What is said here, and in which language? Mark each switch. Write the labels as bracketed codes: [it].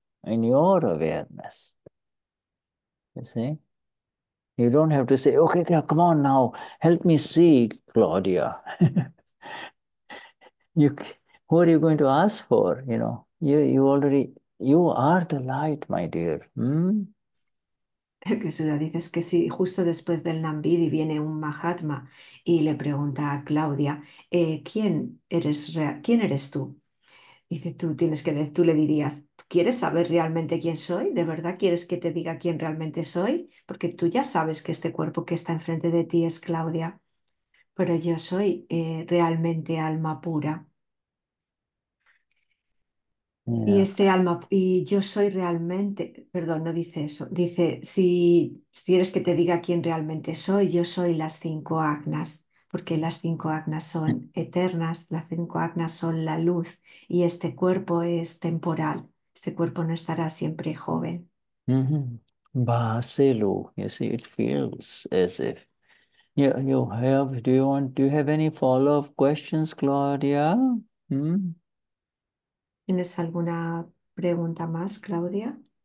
[en] In your awareness. You see? You don't have to say, okay, yeah, come on now. Help me see Claudia. Who are you going to ask for? You know, you are the light, my dear. [es] Que Suda dice es que si justo después del Nambidi viene un Mahatma y le pregunta a Claudia, ¿quién eres tú? Dice, tú le dirías, ¿quieres saber realmente quién soy? ¿De verdad quieres que te diga quién realmente soy? Porque tú ya sabes que este cuerpo que está enfrente de ti es Claudia, pero yo soy realmente alma pura. Y este alma, y yo soy realmente, perdón, no dice eso, dice, si quieres que te diga quién realmente soy, yo soy las cinco agnas, porque las cinco agnas son eternas, las cinco agnas son la luz, y este cuerpo es temporal, este cuerpo no estará siempre joven. [en] Vaselo, you see, it feels as if you have, do you have any follow-up questions, Claudia? [es] ¿Tienes alguna pregunta más, Claudia?